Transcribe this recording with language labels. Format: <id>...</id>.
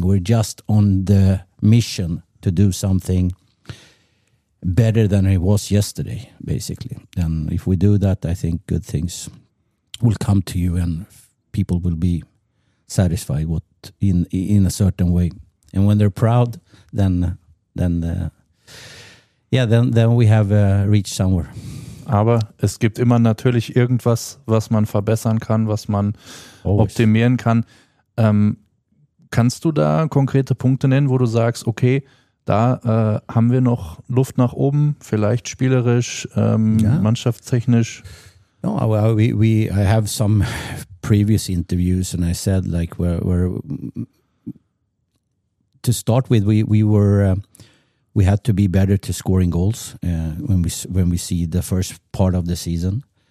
<en>We're just on the mission to do something better than it was yesterday, basically. And if we do that, I think good things will come to you, and people will be satisfied in a certain way. And when they're proud, then we have reached somewhere.</en> <de>Aber es gibt immer natürlich irgendwas, was man verbessern kann, was man optimieren kann. Kannst du da konkrete Punkte nennen, wo du sagst, okay, da haben wir noch Luft nach oben, vielleicht spielerisch, mannschaftstechnisch.</de> <en>No, I have some previous interviews, and I said like we're to start with, we were we had to be better to scoring goals when we see the first part of the season.</en>